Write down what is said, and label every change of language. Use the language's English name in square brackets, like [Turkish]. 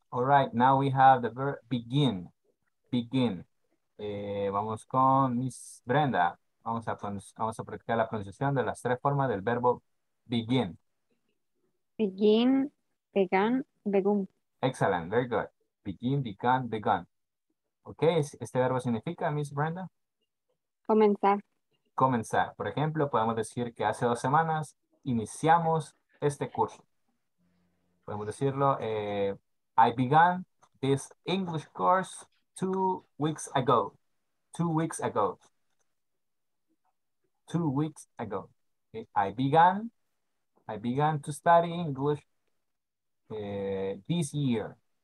[English] All right, now we have the verb begin. [Spanish] Begin. Vamos con Miss Brenda. Vamos a practicar la pronunciación de las tres formas del verbo begin. [English] Begin, began, begun. Excellent, very good. Begin, began, begun. Okay, [Spanish] ¿este verbo significa, Miss Brenda? Comenzar. Por ejemplo, podemos decir que hace 2 semanas iniciamos este curso. Podemos decirlo, [English] I began this English course 2 weeks ago. 2 weeks ago. 2 weeks ago. Okay. I began to study English this year.